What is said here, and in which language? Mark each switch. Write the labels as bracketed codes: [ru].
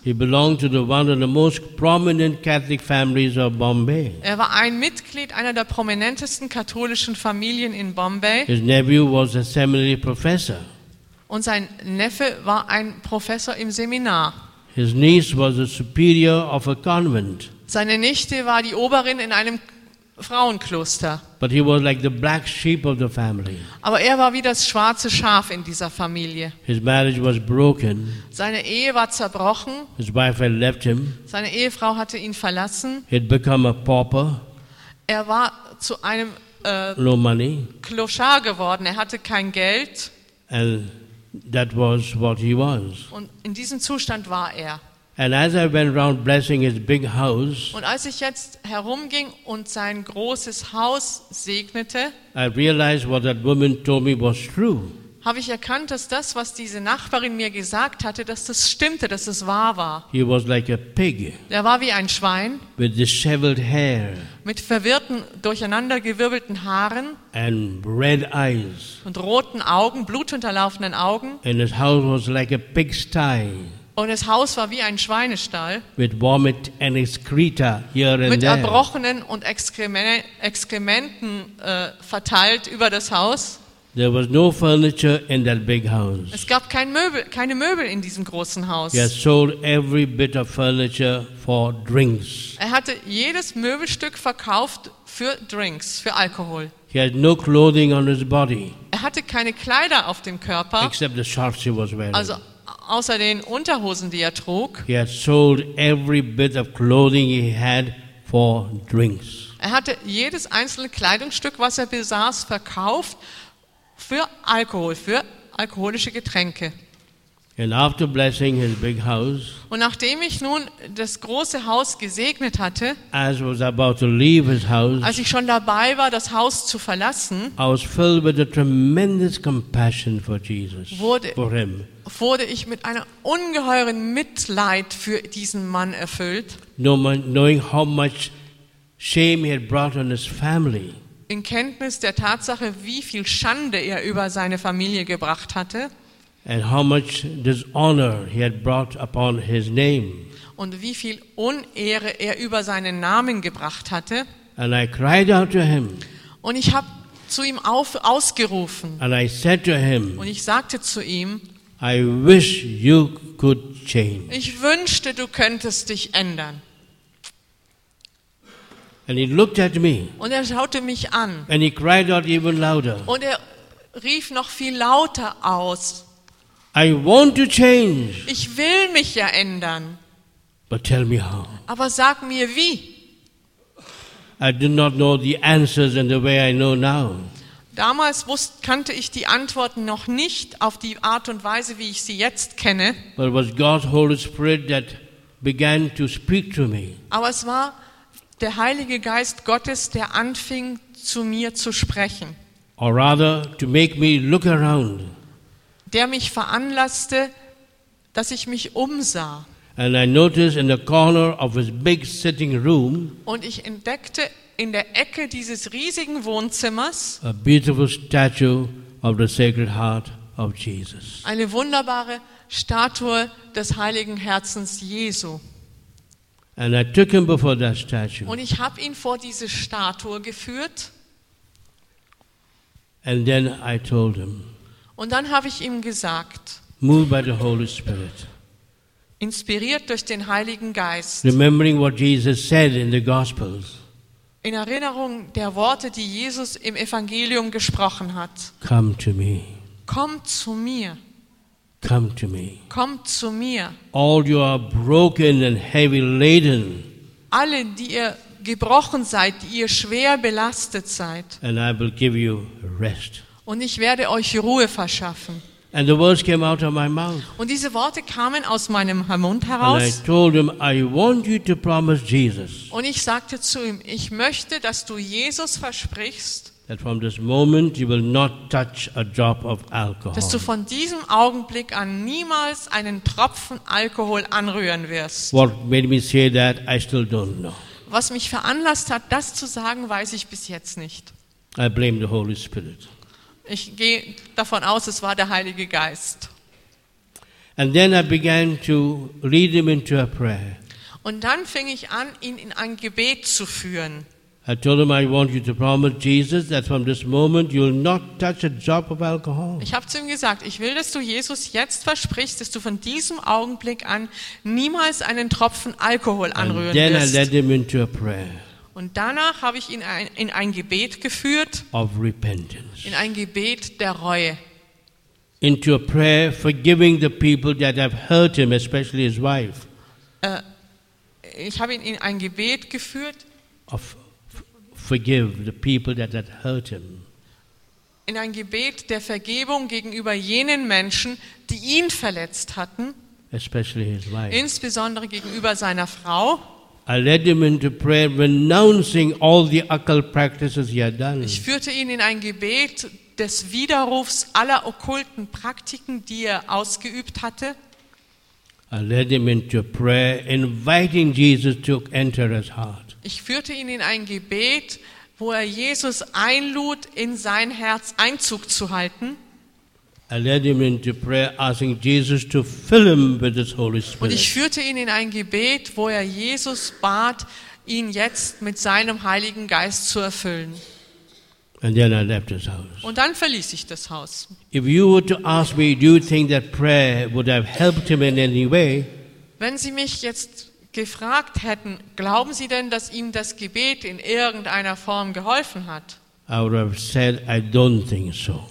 [en] He belonged to the one of the most prominent Catholic families of Bombay. [de] Er war ein Mitglied einer der prominentesten katholischen Familien in Bombay. [en] His nephew was a seminary professor. [de] Und sein Neffe war ein Professor im Seminar. [en] His niece was a superior of a convent. [de] Seine Nichte war die Oberin in einem Frauenkloster. [en] But he was like the black sheep of the family. [de] Aber er war wie das schwarze Schaf in dieser Familie. [en] His marriage was broken. [de] Seine Ehe war zerbrochen. [en] His wife had left him. [de] Seine Ehefrau hatte ihn verlassen. [en] He had become a pauper. [de] Er war zu einem [en] no money. [de] Klochar geworden. Er hatte kein Geld. [en] And that was what he was. [de] Und in diesem Zustand war er. [en] And as I went around blessing his big house, [de] und als ich jetzt herumging und sein großes Haus segnete, [en] I realized what that woman told me was true. [de] Habe ich erkannt, dass das, was diese Nachbarin mir gesagt hatte, dass das stimmte, dass es wahr war. [en] He was like a pig. [de] Er war wie ein Schwein. [en] With disheveled hair. [de] Mit verwirrten, durcheinander gewirbelten Haaren. [en] And red eyes. [de] Und roten Augen, blutunterlaufenden Augen. [en] And his house was like a pigsty. [de] Und das Haus war wie ein Schweinestall. [en] With vomit and excreta here and there. [de] Mit erbrochenen und Exkrementen verteilt über das Haus. [en] There was no furniture in that big house. [de] Es gab keine Möbel in diesem großen Haus. [en] He had sold every bit of furniture for drinks. [de] Er hatte jedes Möbelstück verkauft für Drinks, für Alkohol. [en] He had no clothing on his body. [de] Er hatte keine Kleider auf dem Körper. [en] Except the shorts he was wearing. [de] Also außer den Unterhosen, die er trug. [en] He had sold every bit of clothing he had for drinks. [de] Er hatte jedes einzelne Kleidungsstück, was er besaß, verkauft für Alkohol, für alkoholische Getränke. [en] And after blessing his big house, [de] und nachdem ich nun das große Haus gesegnet hatte, [en] as was about to leave his house, [de] als ich schon dabei war, das Haus zu verlassen, [en] I was filled with a tremendous compassion for Jesus, for him. [de] Wurde ich mit einer ungeheuren Mitleid für diesen Mann erfüllt, [en] knowing how much shame he had brought on his family. [de] In Kenntnis der Tatsache, wie viel Schande er über seine Familie gebracht hatte. [en] And how much dishonor he had brought upon his name. [de] Und wie viel Unehre er über seinen Namen gebracht hatte. [en] And I cried out to him. [de] Und ich habe zu ihm ausgerufen. [en] And I said to him, [de] und ich sagte zu ihm, [en] I wish you could change. [de] Ich wünschte, du könntest dich ändern. [en] And he looked at me. [de] Und er schaute mich an. [en] And he cried out even louder. [de] Und er rief noch viel lauter aus. [en] I want to change. [de] Ich will mich ja ändern. [en] But tell me how. [de] Aber sag mir wie. [en] I did not know the answers in the way I know now. [de] Damals kannte ich die Antworten noch nicht auf die Art und Weise, wie ich sie jetzt kenne. [en] But it was God's Holy Spirit that began to speak to me. [de] Aber es war der Heilige Geist Gottes, der anfing zu mir zu sprechen. [en] Or rather, to make me look around. [de] Der mich veranlasste, dass ich mich umsah. [en] And I noticed in the corner of his big sitting room. [de] Und ich entdeckte in der Ecke dieses riesigen Wohnzimmers [en] a beautiful statue of the Sacred Heart of Jesus. [de] Eine wunderbare Statue des Heiligen Herzens Jesu. [en] And I took him before that statue. [de] Und ich habe ihn vor diese Statue geführt. [en] And then I told him. [de] Und dann habe ich ihm gesagt, [en] moved by the Holy Spirit, [de] inspiriert durch den Heiligen Geist, [en] remembering what Jesus said in the Gospels, [de] in Erinnerung der Worte, die Jesus im Evangelium gesprochen hat, [en] come to me. [de] Komm zu mir. [en] Come to me. [de] Komm zu mir. [en] All you are broken and heavy laden. [de] Alle, die ihr gebrochen seid, die ihr schwer belastet seid. [en] And I will give you rest. [de] Und ich werde euch Ruhe verschaffen. [en] And the words came out of my mouth. [de] Und diese Worte kamen aus meinem Mund heraus. [en] And I told him, I want you to promise Jesus. [de] Und ich sagte zu ihm, ich möchte, dass du Jesus versprichst. [en] That from this moment you will not touch a drop of alcohol. [de] Dass du von diesem Augenblick an niemals einen Tropfen Alkohol anrühren wirst. [en] What made me say that, I still don't know. [de] Was mich veranlasst hat, das zu sagen, weiß ich bis jetzt nicht. [en] I blame the Holy Spirit. [de] Ich gehe davon aus, es war der Heilige Geist. [en] And then I began to lead him into a prayer. [de] Und dann fing ich an, ihn in ein Gebet zu führen. [en] I told him, I want you to promise Jesus that from this moment you will not touch a drop of alcohol. [de] Ich habe zu ihm gesagt, ich will, dass du Jesus jetzt versprichst, dass du von diesem Augenblick an niemals einen Tropfen Alkohol anrühren wirst. [en] And then I led him into a prayer. [de] Und danach habe ich ihn in ein Gebet geführt. [en] Of repentance. [de] In ein Gebet der Reue. [en] Into a prayer forgiving the people that have hurt him, especially his wife. [de] Ich habe ihn in ein Gebet geführt. [en] Of forgive the people that had hurt him. [de] In ein Gebet der Vergebung gegenüber jenen Menschen, die ihn verletzt hatten, [en] especially his wife. [de] Insbesondere gegenüber seiner Frau. [en] I led him into prayer, renouncing all the occult practices he had done. [de] Ich führte ihn in ein Gebet des Widerrufs aller okkulten Praktiken, die er ausgeübt hatte. [en] I led him into prayer, inviting Jesus to enter his heart. [de] Ich führte ihn in ein Gebet, wo er Jesus einlud, in sein Herz Einzug zu halten. [en] I led him into prayer, asking Jesus to fill him with His Holy Spirit. [de] Und ich führte ihn in ein Gebet, wo er Jesus bat, ihn jetzt mit seinem Heiligen Geist zu erfüllen. [en] And then I left his house. [de] Und dann verließ ich das Haus. [en] If you were to ask me, do you think that prayer would have helped him in any way? [de] Wenn Sie mich jetzt gefragt hätten, glauben Sie denn, dass ihm das Gebet in irgendeiner Form geholfen hat? [en] I would have said, I don't think so.